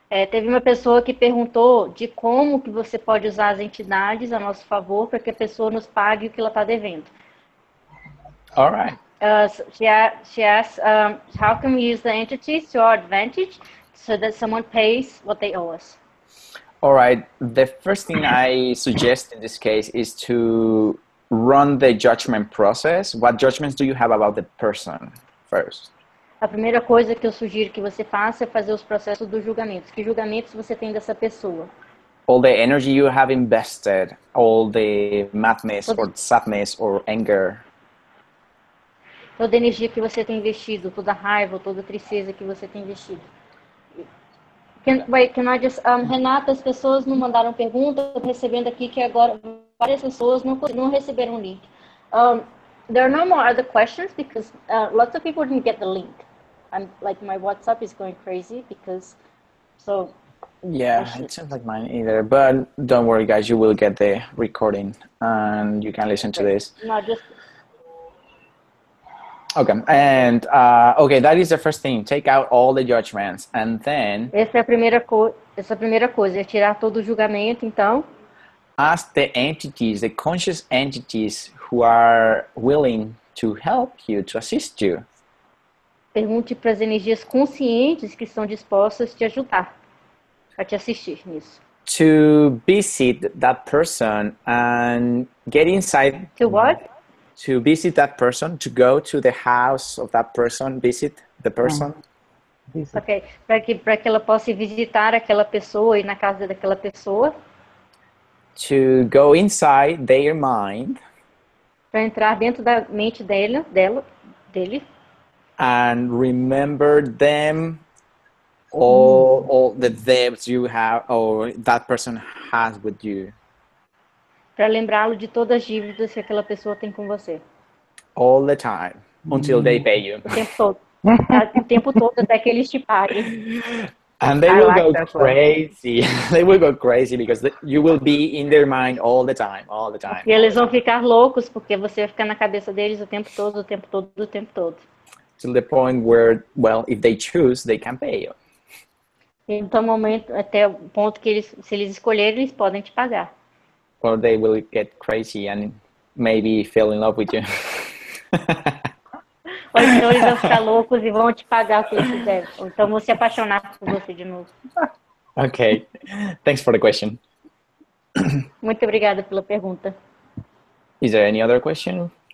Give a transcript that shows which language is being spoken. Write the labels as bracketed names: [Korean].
[Portuguese] Teve uma pessoa que perguntou de como que você pode usar as entidades a nosso favor para que a pessoa nos pague o que ela está devendo. [English] All right. She asked, how can we use the entities to our advantage so that someone pays what they owe us? All right. The first thing I suggest in this case is to run the judgment process. What judgments do you have about the person first? [Portuguese] A primeira coisa que eu sugiro que você faça é fazer os processos dos julgamentos. Que julgamentos você tem dessa pessoa? [English] All the energy you have invested, all the madness or sadness or anger. [Portuguese] Toda a energia que você tem investido, toda a raiva, toda a tristeza que você tem investido. Renata, as pessoas não mandaram pergunta, estou recebendo aqui que agora várias pessoas não receberam o link. [English] There are no more other questions because lots of people didn't get the link. And like my WhatsApp is going crazy because, so. Yeah, it sounds like mine either, but don't worry guys, you will get the recording and you can listen to this. No, just. Okay, and okay, that is the first thing. Take out all the judgments and then. [Portuguese] Essa é a primeira coisa, é tirar todo o julgamento, então. [English] Ask the entities, the conscious entities who are willing to help you, to assist you. [Portuguese] Pergunte para as energias conscientes que estão dispostas a te ajudar, a te assistir nisso. [English] To visit that person and get inside. To what? To visit that person, to go to the house of that person, visit the person. [Portuguese] Okay, para que ela possa visitar aquela pessoa e ir na casa daquela pessoa. [English] To go inside their mind. [Portuguese] Para entrar dentro da mente dele. [English] And remember them, all the debts you have, or that person has with you. [Portuguese] Para lembrá-lo de todas as dívidas que aquela pessoa tem com você. [English] All the time, until they pay you. [Portuguese] O tempo todo, até que eles te paguem. [English] And they will go crazy. They will go crazy because you will be in their mind all the time. [Portuguese] E eles vão ficar loucos porque você vai ficar na cabeça deles o tempo todo. [English] To the point where, well, if they choose, they can pay you. [Portuguese] Até o ponto que eles, se eles escolherem, eles podem te pagar. [English] Or they will get crazy and maybe fall in love with you. [Portuguese] Ou então eles vão ficar loucos e vão te pagar o que eles quiserem. Ou então vão se apaixonar por você de novo. [English] Okay. Thanks for the question. [Portuguese] Muito obrigada pela pergunta. [English] Is there any other question?